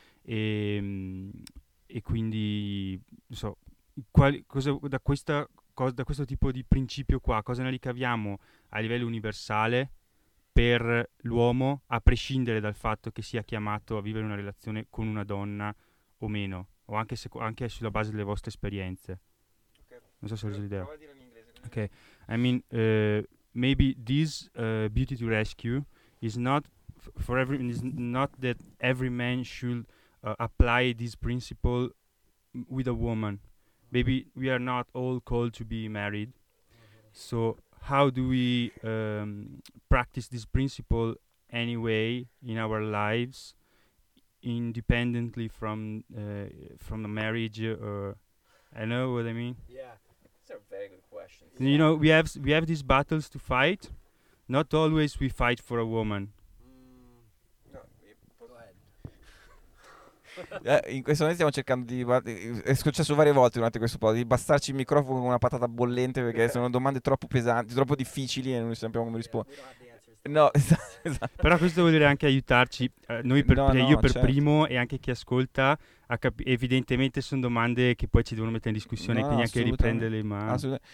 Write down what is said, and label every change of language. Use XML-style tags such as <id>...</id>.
<it>E quindi, non so, da questo tipo di principio qua, cosa ne ricaviamo a livello universale per l'uomo, a prescindere dal fatto che sia chiamato a vivere una relazione con una donna o meno, o anche anche sulla base delle vostre esperienze. Okay. Non so se ho reso l'idea. Prova a dire in inglese.</it> <en>Ok, I mean, maybe this beauty to rescue is not that every man should apply this principle with a woman. Maybe we are not all called to be married. So how do we practice this principle anyway in our lives, independently from the marriage? Or I know what I mean. Yeah, it's a very good question. You know, we have these battles to fight. Not always we fight for a woman.</en> <it>In questo momento stiamo cercando di... è successo varie volte durante questo po' di bastarci il microfono con una patata bollente, perché sono domande troppo pesanti, troppo difficili, e non sappiamo come rispondere. No, esatto. Però questo vuol dire anche aiutarci primo, e anche chi ascolta, evidentemente sono domande che poi ci devono mettere in discussione, quindi anche riprenderle in mano.</it>